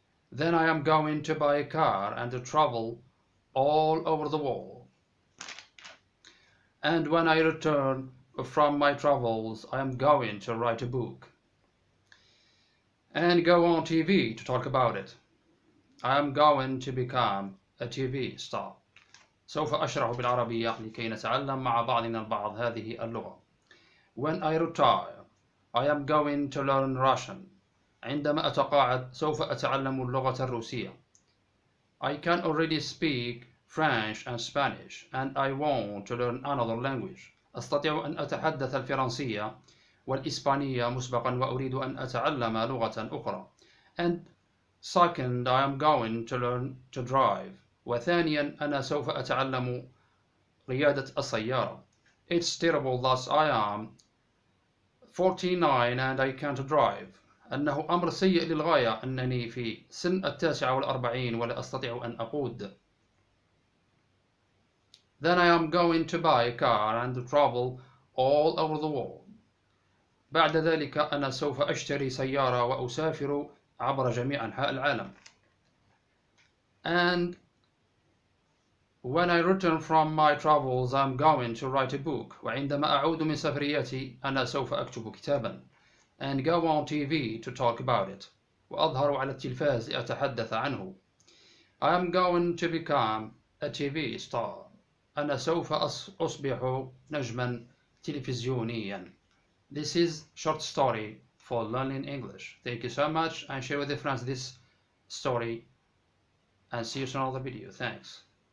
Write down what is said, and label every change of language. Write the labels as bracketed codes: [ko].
[en] Then I am going to buy a car and to travel all over the world. And when I return from my travels, I am going to write a book and go on TV to talk about it. I am going to become a TV star. [ar] سوف أشرح بالعربية لكي نتعلم مع بعضنا البعض هذه اللغة. [en] When I retire, I am going to learn Russian. [ar] عندما أتقاعد سوف أتعلم اللغة الروسية. [en] I can already speak French and Spanish, and I want to learn another language. [ar] أستطيع أن أتحدث الفرنسية والإسبانية مسبقا وأريد أن أتعلم لغة أخرى. [en] And second, I am going to learn to drive. [ar] وثانيا أنا سوف أتعلم قيادة السيارة. [en] It's terrible that I am 49 and I can't drive. [ar] أنه أمر سيء للغاية أنني في سن 49 ولا أستطيع أن أقود. [en] Then I am going to buy a car and travel all over the world. [ar] بعد ذلك أنا سوف أشتري سيارة وأسافر عبر جميع أنحاء العالم. [en] And when I return from my travels, I'm going to write a book. [ar] وعندما أعود من سفرياتي أنا سوف أكتب كتابا. [en] And go on TV to talk about it. [ar] وأظهر على التلفاز لأتحدث عنه. [en] I am going to become a TV star. [ar] أنا سوف أصبح نجما تلفزيونيا. [en] This is short story for learning English. Thank you so much and share with your friends this story. And see you soon on another video. Thanks.